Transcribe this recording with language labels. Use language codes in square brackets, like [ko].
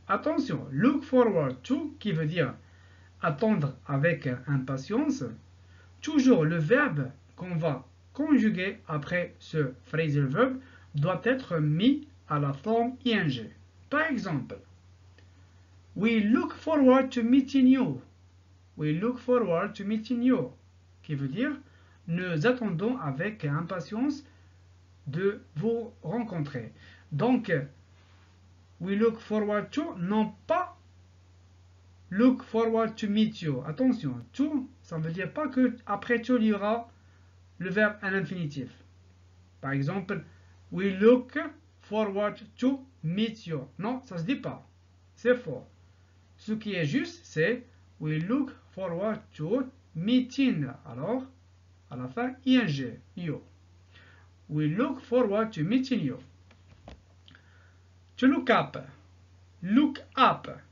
[fr] Attention, [en] look forward to [fr] qui veut dire attendre avec impatience. Toujours le verbe qu'on va conjuguer après ce phrasal verb doit être mis à la forme ing. Par exemple, [en] we look forward to meeting you. We look forward to meeting you. [fr] Qui veut dire, nous attendons avec impatience de vous rencontrer. Donc, [en] we look forward to, [fr] non pas [en] look forward to meet you. [fr] Attention, to, ça ne veut dire pas que après to, il y aura le verbe à l'infinitif. Par exemple, [en] we look forward to meet you. [fr] Non, ça ne se dit pas. C'est faux. Ce qui est juste, c'est [en] we look forward to meeting. [fr] Alors, à la fin, [en] ing, you. We look forward to meeting you. To look up. Look up.